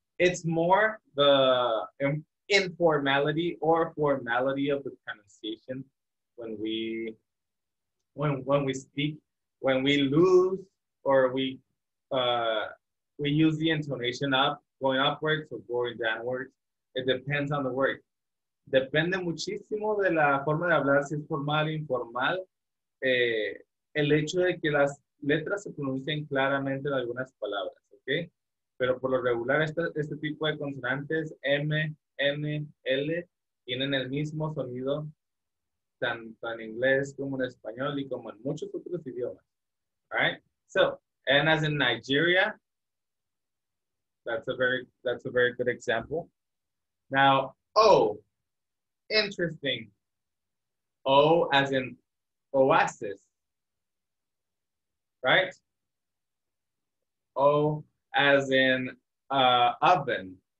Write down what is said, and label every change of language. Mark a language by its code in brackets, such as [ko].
[en] It's more the informality or formality of the pronunciation when we speak, when we lose or we use the intonation up, going upwards or going downwards. It depends on the word. [es] Depende muchísimo de la forma de hablar, si es formal o informal, el hecho de que las letras se pronuncien claramente en algunas palabras, ¿ok? Pero por lo regular, este tipo de consonantes, M, N, L, tienen el mismo sonido, tanto en inglés como en español y como en muchos otros idiomas. [en] All right? So, N as in Nigeria, that's a very good example. Now, O. Interesting. O as in oasis. Right? O as in oven.